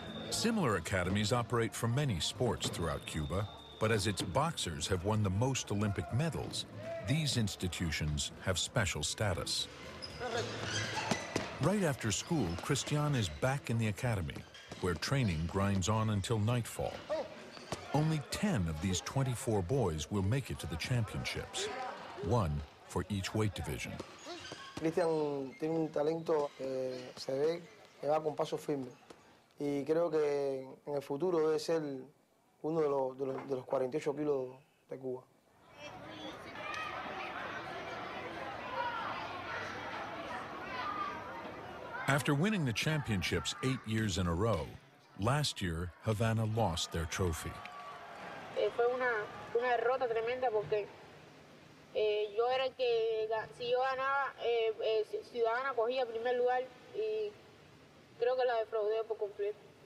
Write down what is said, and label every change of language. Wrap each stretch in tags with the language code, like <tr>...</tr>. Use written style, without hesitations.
<en>Similar academies operate for many sports throughout Cuba, but as its boxers have won the most Olympic medals, these institutions have special status. Right after school, Christian is back in the academy, where training grinds on until nightfall. Only 10 of these 24 boys will make it to the championships, one for each weight division.</en> <es>Christian tiene un talento que se ve que va con paso firme. Y creo que en el futuro debe ser uno de los 48 kilos de Cuba.</es> <en>After winning the championships 8 years in a row, last year Havana lost their trophy.</en> <es>Fue una derrota tremenda porque yo era el que, si yo ganaba, Ciudadana cogía primer lugar y creo que la defraudé por completo.</es>